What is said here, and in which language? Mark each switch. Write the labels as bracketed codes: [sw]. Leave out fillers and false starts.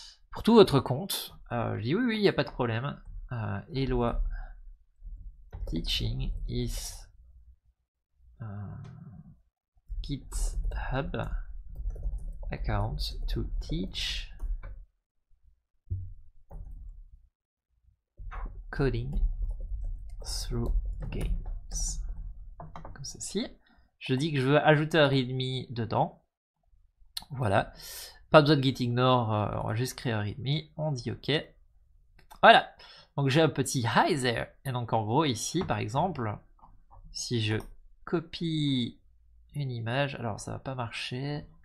[fr] Pour tout votre compte, je dis oui, il n'y a pas de problème. [en] Eloi Teaching is GitHub account to teach coding through games. [fr] Comme ceci. Je dis que je veux ajouter un README dedans. Voilà. Pas besoin de gitignore, on va juste créer un README, on dit OK. Voilà, donc j'ai un petit hi there. Et donc en gros, ici par exemple, si je copie une image, alors ça va pas marcher.